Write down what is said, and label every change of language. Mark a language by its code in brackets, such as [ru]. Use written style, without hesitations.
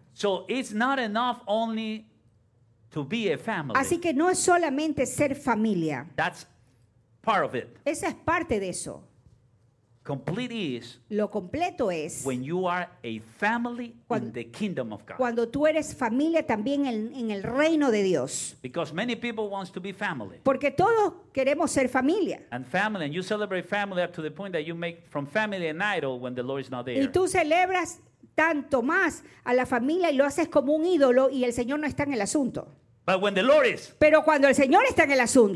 [en] So it's not enough only to be a family. [es] Así que no es solamente ser familia. [en] That's part of it. [es] Esa es parte de eso. [en] Complete is. [es] Lo completo es. [en] When you are a family in the kingdom of God. [es] Cuando tú eres familia también en el reino de Dios. [en] Because many people wants to be family. [es] Porque todos queremos ser familia. [en] And family, and you celebrate family up to the point that you make from family an idol when the Lord is not there. [es] Y tú celebras tanto más a la familia y lo haces como un ídolo y el Señor no está en el asunto. [en] But when the Lord is, [es] pero cuando el Señor está en el asunto,